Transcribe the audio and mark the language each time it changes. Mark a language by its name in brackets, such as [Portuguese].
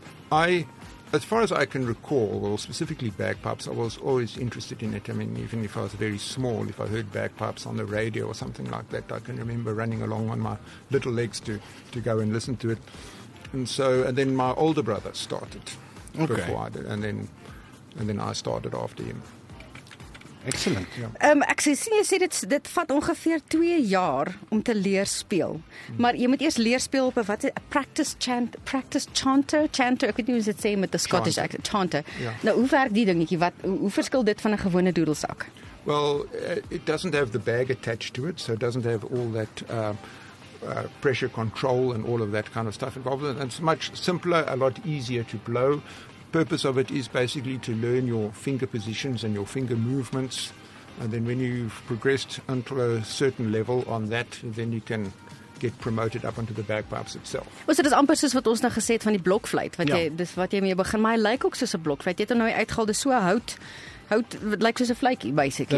[English] As far as I can recall, well, specifically bagpipes, I was always interested in it. I mean, even if I was very small, if I heard bagpipes on the radio or something like that, I can remember running along on my little legs to go and listen to it. And then my older brother started before I did, and then I started after him. Excellent. [Afrikaans] Ek sien jy sê dit vat ongeveer 2 jaar om te leer speel. Maar jy moet eers leer speel op 'n practice chanter. Ek weet nie hoe dit sê met [English] the Scottish accent, [Afrikaans] chanter. [English] Yeah. [Afrikaans] Nou, hoe werk die dingetjie? Hoe verskil dit van 'n gewone doodelsak? [English] Well, it doesn't have the bag attached to it, so it doesn't have all that pressure control and all of that kind of stuff involved. And it's much simpler, a lot easier to blow. The purpose of it is basically to learn your finger positions and your finger movements, and then when you've progressed until a certain level on that, then you can get promoted up onto the bagpipes itself. [Afrikaans] Was dit amper soos wat ons nou gesê het van die blokfluit, wat jy mee begin, maar hy lyk ook soos 'n blokfluit. Jy het nou uitgehaal dis so hout wat lyk soos 'n fluitjie basically.